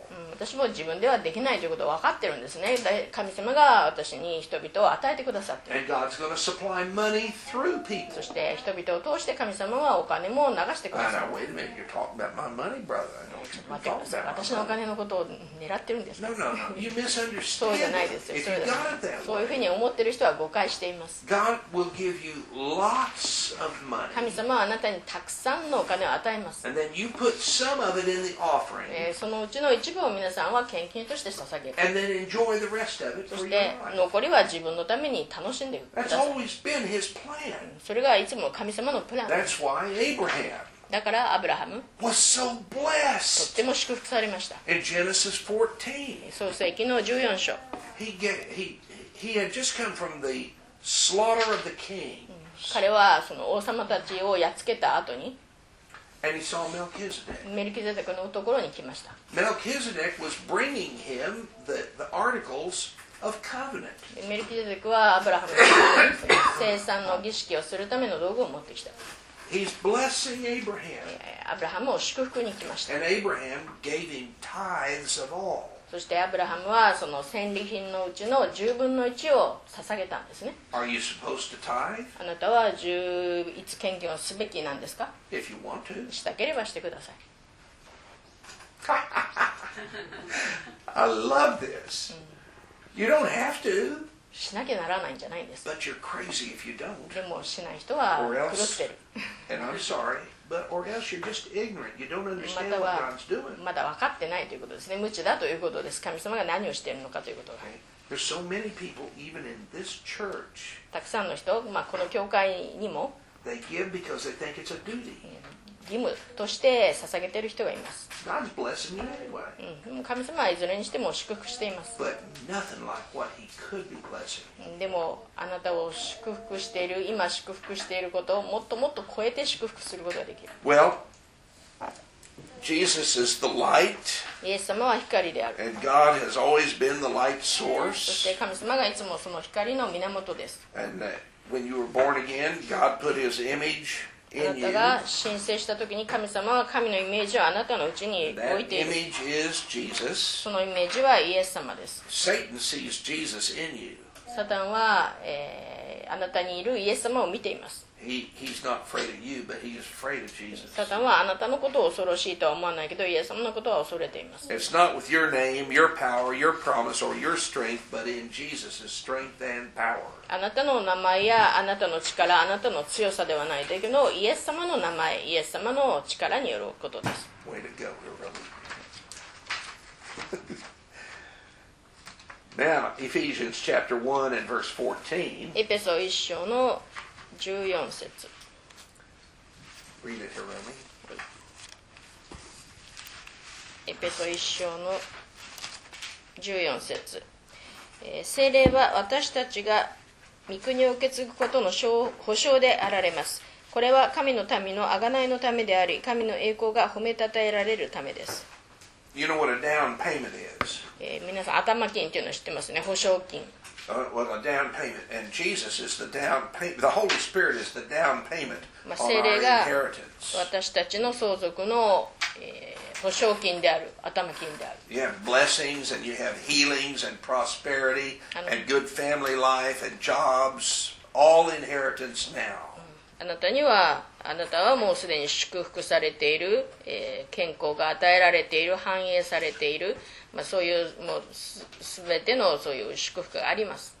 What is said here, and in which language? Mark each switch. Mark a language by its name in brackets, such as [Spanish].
[Japanese] 私も自分ではできないということを分かってるんですね。神様が私に人々を与えてくださってる。 [English] And God's going to supply money through people. [Japanese] そして人々を通して神様はお金も流してくださ [English] る。Now, wait a minute. You're talking about my money, brother. I don't talk about my money. [Japanese] 私のお金のことを狙ってるんですか？ [English] No. You misunderstand. [Japanese] そうじゃないですよ。そうですよ。そういうふうに思ってる人は誤解しています。 [English] God will give you lots of money. [Japanese] 神様はあなたにたくさんのお金を与えます。 [English] And then you put some of it in the offering. [Japanese] そのうちの一部を皆さんは献金として捧げる。 [English] And then enjoy the rest of it. [Japanese] そして残りは自分のために楽しんでください。 [English] That's always been his plan. [Japanese] それがいつも神様のプラン。 [English] That's why Abraham. [Japanese] だからアブラハム。 [English] Was so blessed. [Japanese] とっても祝福されました。 [English] In Genesis 14. [Japanese] 創世記の14章。 [English] He had just come from the slaughter of the kings. [Japanese] 彼はその王様たちをやっつけた後に。 [English] And he saw Melchizedek. [Japanese] メルキゼデクのところに来ました。 [English] Melchizedek was bringing him the articles of covenant. [Japanese] メルキゼデクはアブラハムに聖餐の儀式をするための道具を持ってきた。 [English] He's blessing Abraham. [Japanese] アブラハムを祝福に来ました。 [English] And Abraham gave him tithes of all. [Japanese] そしてアブラハムはその戦利品のうちの十分の一を捧げたんですね。 [English] Are you supposed to tithe? [Japanese] あなたは十一献金をすべきなんですか？ [English] If you want to. [Japanese] したければしてください。 [English] I love this. You don't have to. [Japanese] しなきゃならないんじゃないんです。 [English] But you're crazy if you don't. [Japanese] でもしない人は狂ってる。 [English] And I'm sorry. But or else you're just ignorant. You don't understand what God's doing. [Japanese] まだ分かってないということですね。無知だということです。神様が何をしているのかということが。 [English] There's so many people even in this church. [Japanese] たくさんの人、まあこの教会にも。 [English] They give because they think it's a duty. [Japanese] 義務として捧げている人がいます。 [English] God's blessing you anyway. [Japanese] 神様はいずれにしても祝福しています。 [English] But nothing like what He could be blessing. [Japanese] でもあなたを祝福している、今祝福していることをもっともっと超えて祝福することができる。 [English] Well, Jesus is the light. [Japanese] イエス様は光である。 [English] And God has always been the light source. [Japanese] そして神様がいつもその光の源です。 [English] And when you were born again, God put His image. [Japanese] あなたが申請したときに神様は神のイメージをあなたのうちに置いている。そのイメージはイエス様です。 [English] Satan sees Jesus in you. [Japanese] サタンは、あなたにいるイエス様を見ています。 [English] He's not afraid of you, but he is afraid of Jesus. [Japanese] サタンはあなたのことを恐ろしいとは思わないけど、イエス様のことは恐れています。 [English] It's not with your name, your power, your promise, or your strength, but in Jesus' strength and power. [Japanese] あなたの名前やあなたの力、あなたの強さではないだけど、イエス様の名前、イエス様の力によることです。 [English] Way to go, really. Now, Ephesians chapter 1 and verse 14. [Japanese] エペソ1章の14節。 [English] Read it, Hiromi. [Japanese] エペソ1章の14節。聖霊は私たちが御国を受け継ぐことの保証であられます。これは神の民の贖いのためであり、神の栄光が褒めたたえられるためです。 [English] You know what a down payment is. [Japanese] 皆さん頭金というの知ってますね。保証金。 [English] Well, a down payment. And Jesus is the down payment. The Holy Spirit is the down payment on our inheritance. [Japanese] 聖霊が私たちの相続の、保証金である、頭金である。 [English] You have blessings and you have healings and prosperity and good family life and jobs, all inheritance now. [Japanese] あなたにはあなたはもうすでに祝福されている、健康が与えられている、繁栄されている、まあ、そういうもう全てのそういう祝福があります。